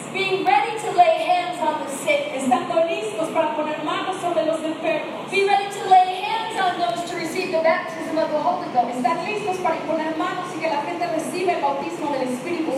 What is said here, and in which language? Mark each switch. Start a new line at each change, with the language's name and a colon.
English: being ready to lay hands on the sick,
Spanish: estando listos para poner manos sobre los enfermos,
English: be ready to lay hands on those to receive the baptism of the Holy Ghost.
Spanish: Estar listos para poner manos y que la gente reciba el bautismo del Espíritu